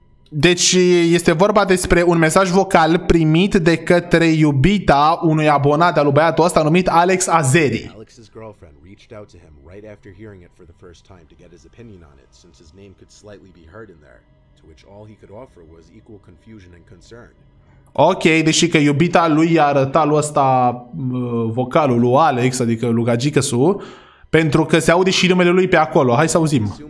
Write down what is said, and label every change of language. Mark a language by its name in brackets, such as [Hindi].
[Romanian] Deci este vorba despre un mesaj vocal primit de către iubita unui abonat al lui băiatul ăsta numit Alex Azeri. [English] Alex's girlfriend reached out to him right after hearing it for the first time to get his opinion on it, since his name could slightly be heard in there, to which all he could offer was equal confusion and concern. [Romanian] Ok, deși că iubita lui i-a arătat lui ăsta vocalul lui Alex, adică lui Gagicăsu, pentru că se aude și numele lui pe acolo. Hai să auzim.